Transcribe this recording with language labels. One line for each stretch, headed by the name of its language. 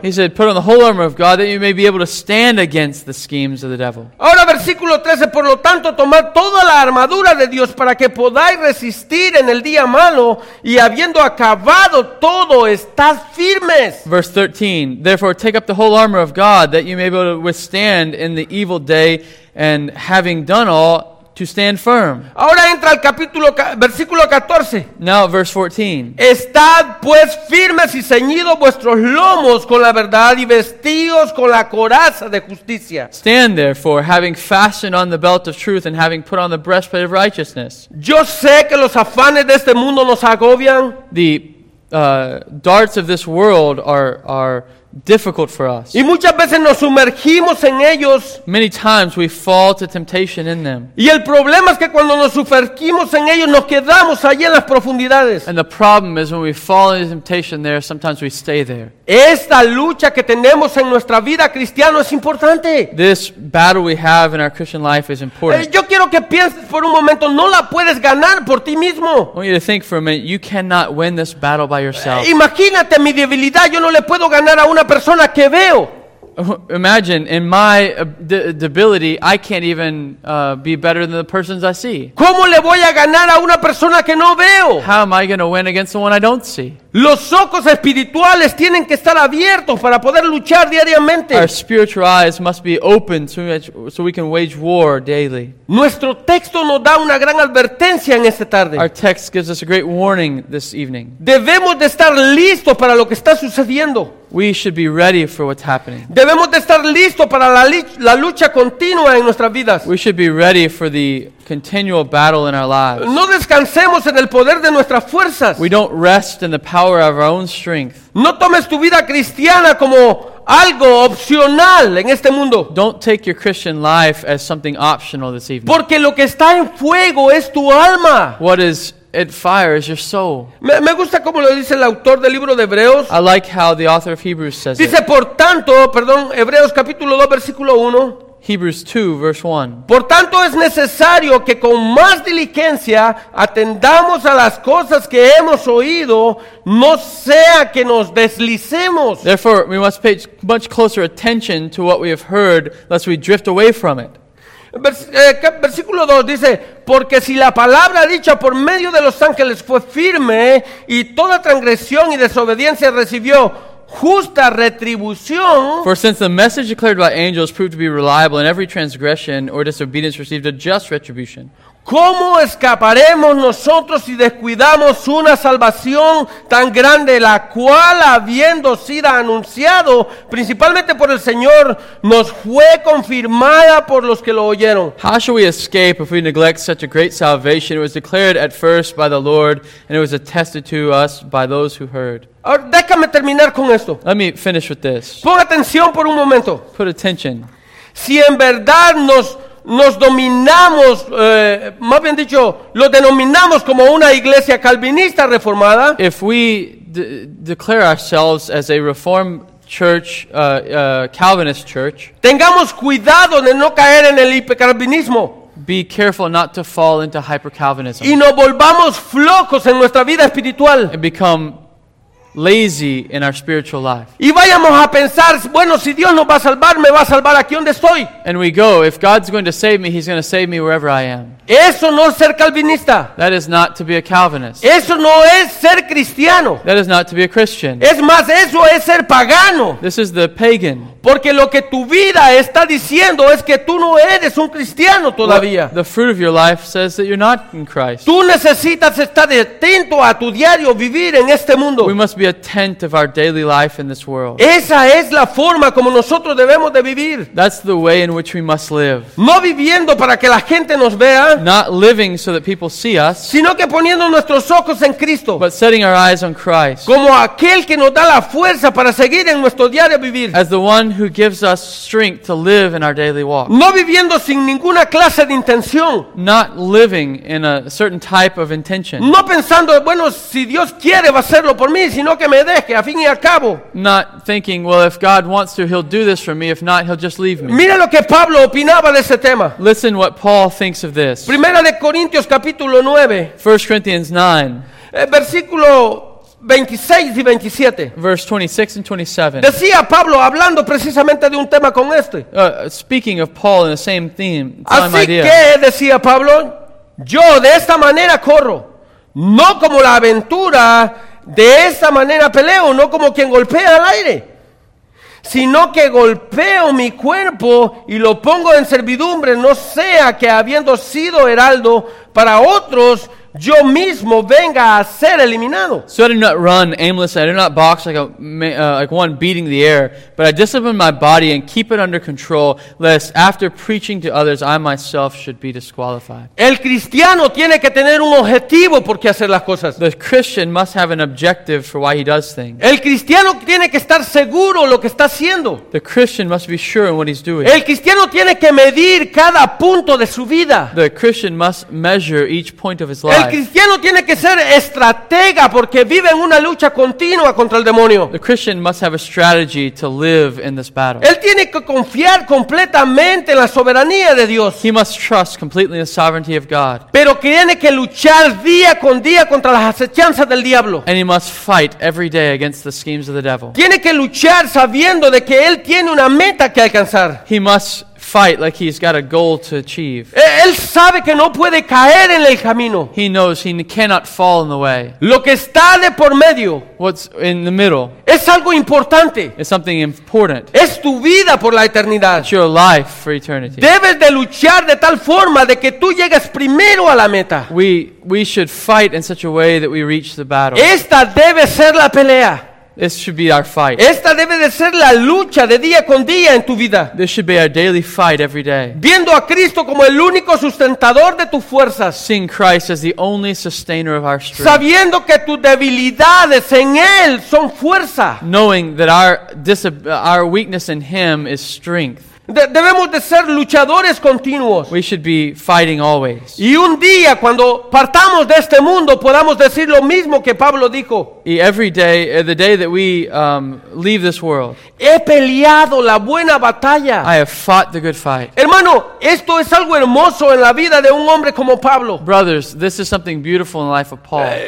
English: He said, put on the whole armor of God that you may be able to stand against the schemes of the devil.
Spanish: Ahora versículo 13, por lo tanto, tomad toda la armadura de Dios para que podáis resistir en el día malo y habiendo acabado todo, estad firmes.
English: Verse 13, therefore take up the whole armor of God that you may be able to withstand in the evil day and having done all, to stand firm.
Spanish: Ahora entra al capítulo, versículo 14.
English: Now verse 14.
Spanish: Estad pues firmes y ceñidos vuestros lomos con la verdad y vestidos con la coraza de justicia.
English: Stand therefore, having fastened on the belt of truth and having put on the breastplate of righteousness.
Spanish: Yo sé que los afanes de este mundo nos agobian.
English: The darts of this world are difficult for us.
Spanish: Y muchas veces nos sumergimos en ellos.
English: Many times we fall to temptation in them.
Spanish: Y el problema es que cuando nos sumergimos en ellos nos quedamos allí en las profundidades.
English: And the problem is when we fall into temptation there, sometimes we stay there.
Spanish: Esta lucha que tenemos en nuestra vida cristiana es importante.
English: This battle we have in our Christian life is important.
Spanish: Yo quiero que pienses por un momento, no la puedes ganar por ti mismo.
English: I want you to think for a minute, you cannot win this battle by yourself.
Spanish: Imagínate mi debilidad, yo no le puedo ganar a una persona que veo.
English: Imagine, in my debility, I can't even be better than the persons I see.
Spanish: ¿Cómo le voy a ganar a una persona que no veo?
English: How am I going to win against the one I don't see?
Spanish: Los ojos espirituales tienen que estar abiertos para poder luchar diariamente.
English: Our spiritual eyes must be open so we can wage war daily.
Spanish: Nuestro texto nos da una gran advertencia en esta tarde.
English: Our text gives us a great warning this evening.
Spanish: Debemos de estar listos para lo que está sucediendo.
English: We should be ready for what's happening.
Spanish: Debemos de estar listos para la lucha continua en nuestras vidas.
English: We should be ready for the continual battle in our lives.
Spanish: No descansemos en el poder de nuestras fuerzas.
English: We don't rest in the power of our own strength.
Spanish: No tomes tu vida cristiana como algo opcional en este mundo.
English: Don't take your Christian life as something optional this evening.
Spanish: Porque lo que está en fuego es tu alma.
English: What is at fire is your soul.
Spanish: Me gusta como lo dice el autor del libro de Hebreos.
English: I like how the author of Hebrews says
Spanish: dice,
English: it.
Spanish: Dice, por tanto, perdón, Hebreos capítulo 2, versículo 1.
English: Hebrews 2, verse 1.
Spanish: Por tanto, es necesario que con más diligencia atendamos a las cosas que hemos oído, no sea que nos deslicemos.
English: Therefore, we must pay much closer attention to what we have heard, lest we drift away from it.
Spanish: Versículo 2 dice, porque si la palabra dicha por medio de los ángeles fue firme y toda transgresión y desobediencia recibió justa retribución.
English: For since the message declared by angels proved to be reliable and every transgression or disobedience received a just retribution.
Spanish: ¿Cómo escaparemos nosotros si descuidamos una salvación tan grande, la cual habiendo sido anunciado principalmente por el Señor, nos fue confirmada por los que lo oyeron?
English: How shall we escape if we neglect such a great salvation? It was declared at first by the Lord, and it was attested to us by those who heard.
Spanish: Ahora, déjame terminar con esto.
English: Let me finish with this.
Spanish: Pon atención por un momento.
English: Put attention.
Spanish: Si en verdad nos dominamos, más bien dicho, lo denominamos como una iglesia calvinista reformada.
English: If we declare ourselves as a reformed church, Calvinist church,
Spanish: tengamos cuidado de no caer en el hipercalvinismo.
English: Be careful not to fall into hyper-Calvinism.
Spanish: Y nos volvamos flojos en nuestra vida espiritual.
English: And become lazy in our spiritual life.
Spanish: Y vayamos a pensar, bueno, si Dios nos va a salvar, me va a salvar aquí donde estoy.
English: And we go, if God's going to save me, he's going to save me wherever I am.
Spanish: Eso no es ser calvinista.
English: That is not to be a Calvinist.
Spanish: Eso no es ser cristiano.
English: That is not to be a Christian.
Spanish: Es más, eso es ser pagano.
English: This is the pagan.
Spanish: Porque lo que tu vida está diciendo es que tú no eres un cristiano todavía.
English: The fruit of your life says that you're not in Christ.
Spanish: Tú necesitas estar atento a tu diario vivir en este mundo.
English: We must be attentive of our daily life in this world.
Spanish: Esa es la forma como nosotros debemos de vivir.
English: That's the way in which we must live.
Spanish: No viviendo para que la gente nos vea.
English: Not living so that people see us.
Spanish: Sino que poniendo nuestros ojos en Cristo.
English: But setting our eyes on Christ.
Spanish: Como aquel que nos da la fuerza para seguir en nuestro diario vivir.
English: As the one who gives us strength to live in our daily walk.
Spanish: No viviendo sin ninguna clase de intención.
English: Not living in a certain type of intention.
Spanish: No pensando, bueno, si Dios quiere va a hacerlo por mí, sino que me deje a fin y al cabo.
English: Not thinking, well, if God wants to, he'll do this for me. If not, he'll just leave me.
Spanish: Mira lo que Pablo opinaba de ese tema.
English: Listen what Paul thinks of this.
Spanish: Primera de Corintios capítulo 9.
English: 1 Corinthians 9.
Spanish: Versículo 26 y 27.
English: Verse 26 and 27.
Spanish: Decía Pablo hablando precisamente de un tema con este.
English: Speaking of Paul in the same theme.
Spanish: Así
English: idea.
Spanish: Que decía Pablo, yo de esta manera corro, no como la aventura. De esta manera peleo, no como quien golpea al aire, sino que golpeo mi cuerpo y lo pongo en servidumbre, no sea que habiendo sido heraldo para otros, yo mismo venga a ser eliminado.
English: So I do not run aimlessly, I do not box like one beating the air, but I discipline my body and keep it under control, lest after preaching to others, I myself should be disqualified.
Spanish: El cristiano tiene que tener un objetivo por qué hacer las cosas.
English: The Christian must have an objective for why he does things.
Spanish: El cristiano tiene que estar seguro lo que está haciendo.
English: The Christian must be sure in what he's doing.
Spanish: El cristiano tiene que medir cada punto de su vida.
English: The Christian must measure each point of his life.
Spanish: El cristiano tiene que ser estratega porque vive en una lucha continua contra el demonio.
English: The Christian must have a strategy to live in this battle.
Spanish: Él tiene que confiar completamente en la soberanía de Dios.
English: He must trust completely in the sovereignty of God.
Spanish: Pero tiene que luchar día con día contra las acechanzas del diablo.
English: And he must fight every day against the schemes of the devil.
Spanish: Tiene que luchar sabiendo de que él tiene una meta que alcanzar.
English: He must fight like he's got a goal to achieve.
Spanish: Él sabe que no puede caer en el camino.
English: He knows he cannot fall in the way.
Spanish: Lo que está de por medio.
English: What's in the middle.
Spanish: Es algo importante.
English: It's something important.
Spanish: Es tu vida por la eternidad.
English: It's your life for eternity.
Spanish: Debes de luchar de tal forma de que tú llegues primero a la meta.
English: We should fight in such a way that we reach the battle.
Spanish: Esta debe ser la pelea.
English: This should be our fight.
Spanish: Esta debe de ser la lucha de día con día en tu vida.
English: This should be our daily fight every day.
Spanish: Viendo a Cristo como el único sustentador de tus fuerzas.
English: Seeing Christ as the only sustainer of our strength.
Spanish: Sabiendo que tus debilidades en Él son fuerza.
English: Knowing that our weakness in Him is strength.
Spanish: Debemos de ser luchadores continuos.
English: We should be fighting always.
Spanish: Y un día cuando partamos de este mundo podamos decir lo mismo que Pablo dijo.
English: Every day, the day that we leave this world.
Spanish: He peleado la buena batalla.
English: I have fought the good fight.
Spanish: Hermano, esto es algo hermoso en la vida de un hombre como Pablo.
English: Brothers, this is something beautiful in the life of Paul.